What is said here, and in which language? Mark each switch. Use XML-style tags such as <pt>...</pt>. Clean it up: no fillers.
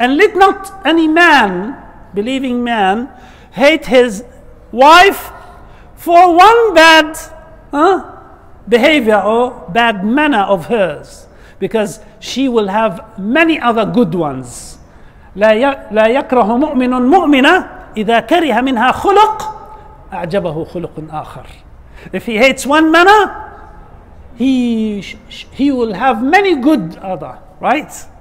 <en>And let not any man, believing man, hate his wife for one bad behavior or bad manner of hers, because she will have many other good ones.</en> <ar>لا يكره مؤمن مؤمنة إذا كره منها خلق أعجبه خلق آخر.</ar> <en>If he hates one manner, he will have many good other, right?</en>